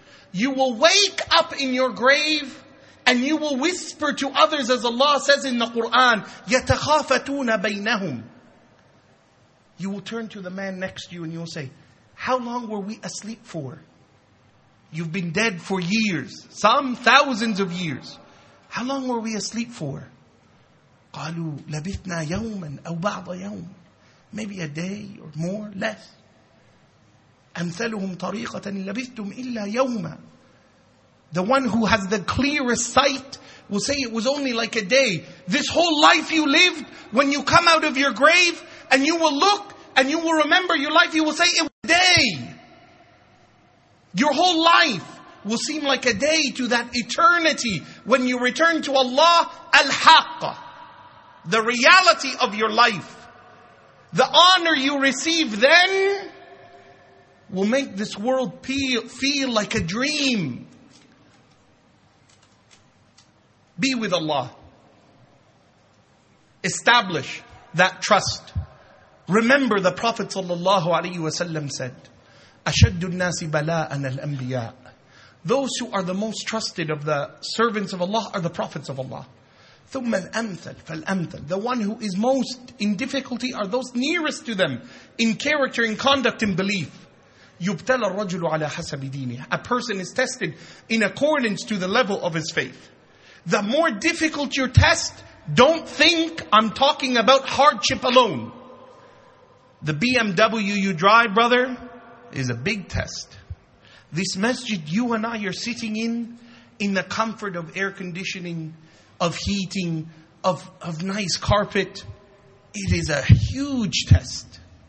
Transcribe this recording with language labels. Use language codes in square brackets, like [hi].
[en] You will wake up in your grave, and you will whisper to others, as Allah says in the Qur'an, [ar] يَتَخَافَتُونَ بَيْنَهُمْ. [en] You will turn to the man next to you and you will say, how long were we asleep for? You've been dead for years, some thousands of years. How long were we asleep for? [ar] قالوا لبثنا يوما أو بعض يوم. [en] Maybe a day or more, less. [ar] أمثلهم طريقة لبثتم إلا يوما. [en] The one who has the clearest sight will say it was only like a day. This whole life you lived, when you come out of your grave and you will look and you will remember your life, you will say it was a day. Your whole life will seem like a day to that eternity when you return to Allah al-Haqq. The reality of your life, the honor you receive then will make this world feel like a dream. Be with Allah. Establish that trust. Remember the Prophet sallallahu alaihi wasallam said, [ar] أشد الناس بلاءً الأنبياء. [en] Those who are the most trusted of the servants of Allah are the prophets of Allah. [ar] ثم الأمثل فالأمثل. [en] The one who is most in difficulty are those nearest to them in character, in conduct, in belief. [ar] يبتلى الرجل على حسب دينه. [en] A person is tested in accordance to the level of his faith. The more difficult your test, don't think I'm talking about hardship alone. The BMW you drive, brother, is a big test. This masjid you and I are sitting in the comfort of air conditioning, of heating, of nice carpet, it is a huge test.